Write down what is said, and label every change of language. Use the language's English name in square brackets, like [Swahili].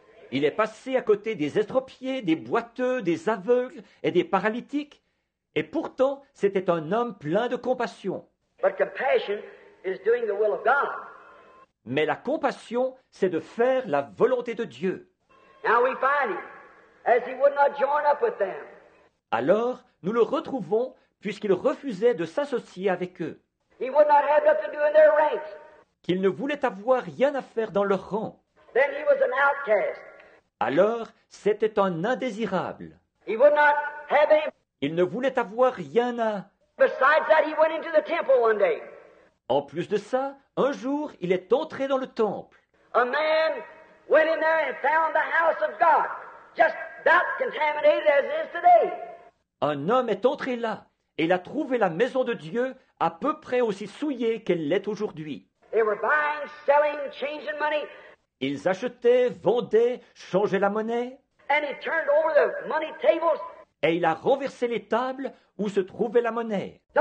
[French] Il est passé à côté des estropiés, des boiteux, des aveugles et des paralytiques, et pourtant, c'était un homme plein de compassion. [English] But compassion is doing the will of God. [French] Mais la compassion, c'est de faire la volonté de Dieu. [English] Now we find him. as he would not join up with them. [French] Alors, nous le retrouvons puisqu'il refusait de s'associer avec eux. [English] He would not have nothing to do in their ranks. [French] Qu'il ne voulait avoir rien à faire dans leur rang. [English] Then he was an outcast. [French] Alors, c'était un indésirable. [English] He would not have any... [French] Il ne voulait avoir rien à... [English] Besides that, he went into the temple one day. [French] En plus de ça, un jour, il est entré dans le temple. [English] A man went in there and found the house of God just that contaminated as it is today. [French] Un homme est entré là et il a trouvé la maison de Dieu à peu près aussi souillée qu'elle l'est aujourd'hui. [English] They were buying, selling, changing money. [French] Ils achetaient, vendaient, changeaient la monnaie. [English] And he turned over the money tables. [French] Et il a renversé les tables où se trouvait la monnaie.